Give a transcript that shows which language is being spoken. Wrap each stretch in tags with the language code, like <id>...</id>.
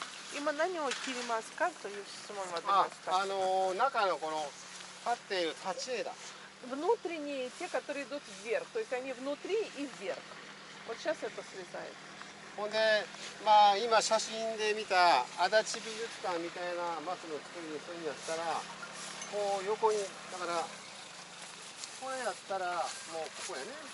<ja>今何を切りますかという質問が出ますか。あ、中のこの立っている立ち枝。</ja> <ru>Внутренние те, которые идут вверх, то есть они внутри и вверх. Вот сейчас это слезает.</ru> <ja>ほんで、まあ、今写真で見た足立美術館みたいな松の作りにするんやったら、こう横に、だから、これやったら、もうここやね。</ja>